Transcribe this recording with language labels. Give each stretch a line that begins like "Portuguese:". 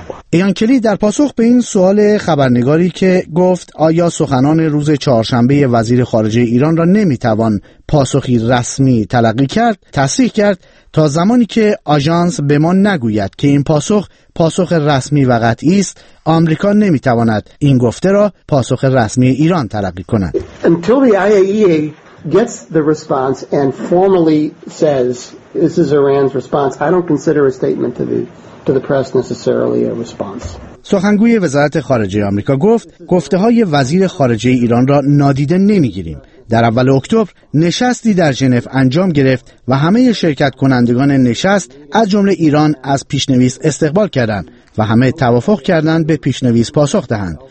Persian: ایان کلی در پاسخ به این سوال خبرنگاری که گفت آیا سخنان روز چهارشنبه وزیر خارجه ایران را نمیتوان پاسخی رسمی تلقی کرد، تصریح کرد تا زمانی که آژانس به ما نگوید که این پاسخ پاسخ رسمی و قطعی است، آمریکا نمیتواند این گفته را پاسخ رسمی ایران تلقی کند.
English: Until the IAEA gets the response and formally says this is Iran's response, I don't consider a statement to the press necessarily a response.
Persian: سخنگوی وزارت خارجه آمریکا گفت گفته‌های وزیر خارجه ایران را نادیده نمی‌گیریم. در اول اکتبر نشستی در ژنو انجام گرفت و همه شرکت کنندگان نشست از جمله ایران از پیشنویس استقبال کردند و همه توافق کردند به پیشنویس پاسخ دهند.